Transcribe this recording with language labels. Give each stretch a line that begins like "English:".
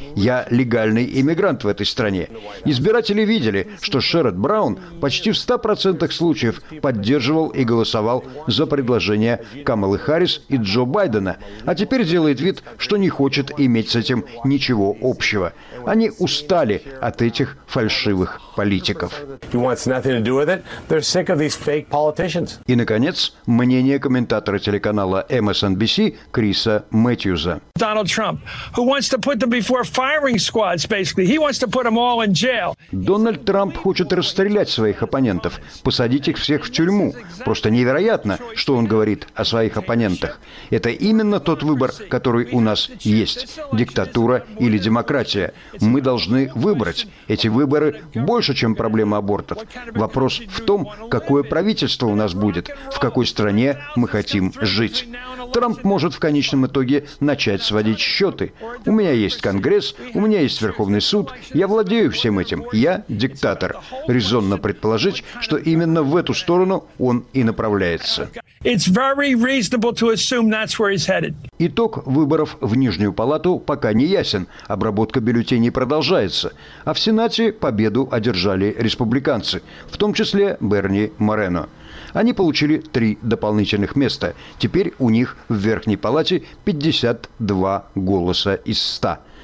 Russian: Я легальный иммигрант в этой стране. Избиратели видели, что Шерод Браун почти в 100% случаев поддерживал и голосовал за предложение Камалы Харрис и Джо Байдена, а теперь делает вид, что не хочет иметь с этим ничего общего. Они устали от этих фальшивых политиков. И, наконец, мнение комментатора телеканала MSNBC Криса Мэтьюза.
English: Donald Trump, who wants to put them before firing squads, basically, he wants to put them all in jail.
Russian: Дональд Трамп хочет расстрелять своих оппонентов, посадить их всех в тюрьму. Просто невероятно, что он говорит о своих оппонентах. Это именно тот выбор, который у нас есть: диктатура или демократия. демократия. Мы должны выбрать. Эти выборы больше, чем проблема абортов. Вопрос в том, какое правительство у нас будет, в какой стране мы хотим жить. Трамп может в конечном итоге начать сводить счеты. У меня есть Конгресс, у меня есть Верховный суд, я владею всем этим, я диктатор. Резонно предположить, что именно в эту сторону он и направляется.
English: It's very reasonable to assume that's where he's headed.
Russian: Итог выборов в Нижнюю палату пока не ясен. Обработка бюллетеней продолжается. А в Сенате победу одержали республиканцы, в том числе Берни Морено. Они получили 3 дополнительных места. Теперь у них в Верхней палате 52 голоса из 100.